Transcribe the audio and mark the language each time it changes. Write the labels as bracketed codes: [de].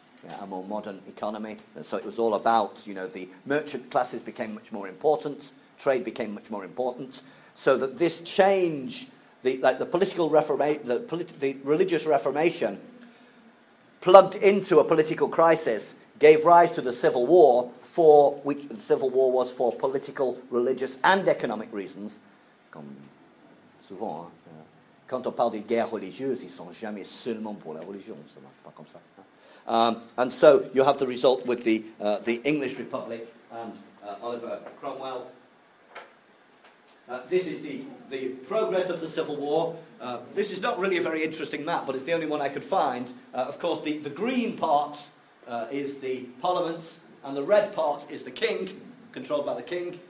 [en] Yeah, a more modern economy. And so it was all about, you know, the merchant classes became much more important, trade became much more important, so that this change, the religious reformation, plugged into a political crisis, gave rise to the Civil War, for which the Civil War was for political, religious, and economic reasons. [fr] Comme souvent, quand on parle des guerres religieuses, ils sont jamais seulement pour la religion. Ça marche pas comme ça. [en] And so you have the result with the English Republic and Oliver Cromwell. This is the progress of the Civil War. This is not really a very interesting map, but it's the only one I could find. Of course, the green part is the parliaments, and the red part is the king, controlled by the king.